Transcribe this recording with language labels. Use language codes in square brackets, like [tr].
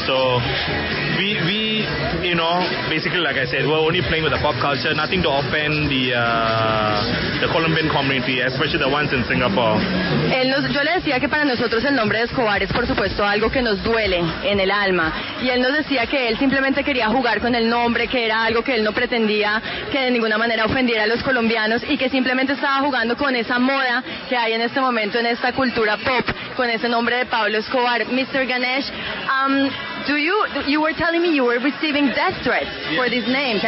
[en] So we you know, basically, like I said, we're only playing with the pop culture, nothing to offend the Colombian community, especially the ones in Singapore. [es] Yo le decía que para nosotros el nombre de Escobar es, por supuesto, algo que nos duele en el alma. Y él nos decía que él simplemente quería jugar con el nombre, que era algo que él no pretendía que de ninguna manera ofendiera a los colombianos, y que simplemente estaba jugando con esa moda que hay en este momento en esta cultura pop, con ese nombre de Pablo Escobar. [en] Mr. Ganesh, you were telling me you were receiving death threats for this name.